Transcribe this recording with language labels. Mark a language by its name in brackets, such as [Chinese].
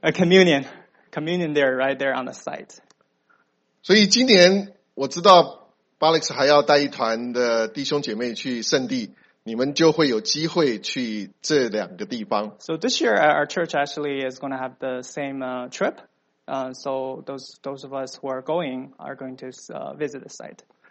[English] A communion there, right there on the site. [Chinese] 所以今年我知道 Alex还要带一团的弟兄姐妹去圣地，你们就会有机会去这两个地方。So [English] this year our church actually is going to have the same trip. So those of us who are going are going to visit the site.